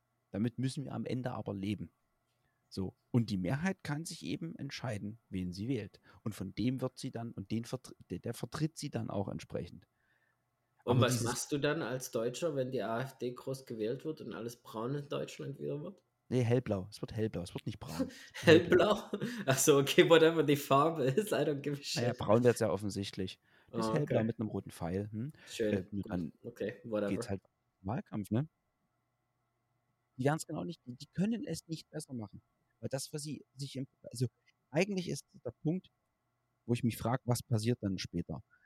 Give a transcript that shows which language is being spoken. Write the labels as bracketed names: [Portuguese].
[German] Damit müssen wir am Ende aber leben. So. Und die Mehrheit kann sich eben entscheiden, wen sie wählt. Und von dem wird sie dann, und der vertritt sie dann auch entsprechend. Und aber was machst du dann als Deutscher, wenn die AfD groß gewählt wird und alles braun in Deutschland wieder wird? Nee, hellblau. Es wird hellblau, es wird nicht braun. Hellblau? [English] Achso, okay, whatever [German] die Farbe ist, [English] I don't give a shit. [German] Naja, braun wird es ja offensichtlich. Das ist hellblau mit einem roten Pfeil. Schön. Dann geht es halt im Wahlkampf, ne? Die werden es genau nicht, die können es nicht besser machen. Weil das, was sie sich, also eigentlich ist der Punkt, wo ich mich frage, was passiert dann später?